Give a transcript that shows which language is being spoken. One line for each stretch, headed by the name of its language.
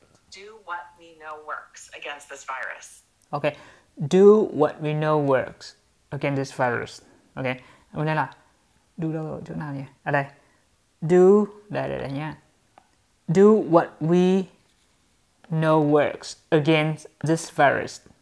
English: Do what we know works against this virus. Okay. Do what we know works against this virus. Okay.
Vietnamese: Mình nói là do đâu chỗ nào nhỉ? À đây. Do đây nhá.
English: Do what we know works against this virus.